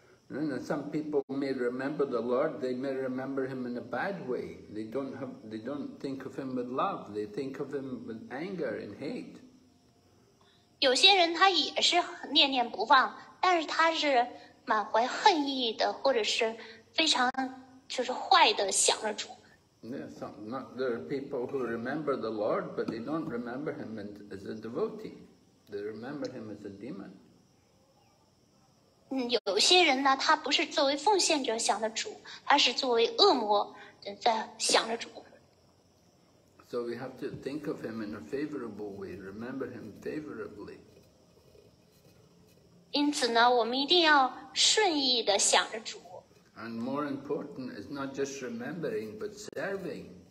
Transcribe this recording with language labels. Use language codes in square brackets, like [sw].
[en] Some people may remember the Lord, they may remember him in a bad way. They don't think of him with love, they think of him with anger and hate. [zh] 有些人他也是念念不忘，但是他是满怀恨意的，或者是非常就是坏的想着主。 [en] There are people who remember the Lord, but they don't remember him as a devotee. They remember him as a demon. [zh] 有些人呢，他不是作为奉献者想的主，他是作为恶魔在想着主。 [en] So we have to think of him in a favorable way, remember him favorably. [zh] 因此呢，我们一定要顺意的想着主。 [en] And more important is not just remembering, but serving.